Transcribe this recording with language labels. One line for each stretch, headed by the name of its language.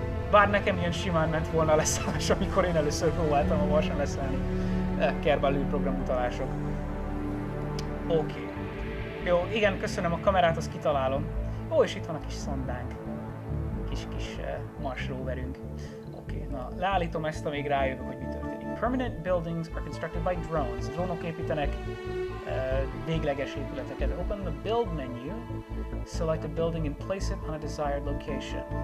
Hungarian: Bár nekem ilyen simán ment volna a leszállás, amikor én először próbáltam a Marson leszállni. Kerbalű programutalások. Oké. Okay. Jó, igen, köszönöm, a kamerát azt kitalálom. Ó, és itt van a kis szondánk. Kis-kis Mars roverünk. Oké, okay. Na, leállítom ezt, amíg rájövök, hogy mi történik.
English: Permanent buildings are constructed by drones.
Hungarian: Drónok építenek végleges épületeket.
English: Open the build menu. Select a building and place it on a desired location.